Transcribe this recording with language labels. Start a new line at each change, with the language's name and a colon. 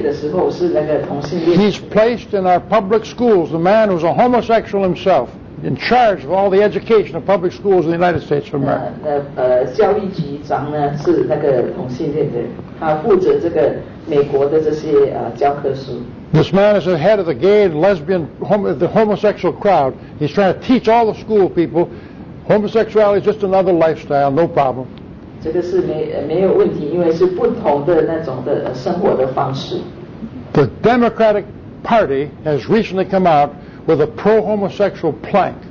English: He's placed in our public schools, the man who's a homosexual himself, in charge of all the education of public schools in the United States of America.
Chinese: 教育局长呢是那个同性恋的，他负责这个美国的这些教科书。
English: This man is the head of the gay and lesbian, the homosexual crowd. He's trying to teach all the school people homosexuality is just another lifestyle, no problem.
Chinese: 这个是没有问题，因为是不同的那种的生活的方式。
English: The Democratic Party has recently come out with a pro-homosexual plank.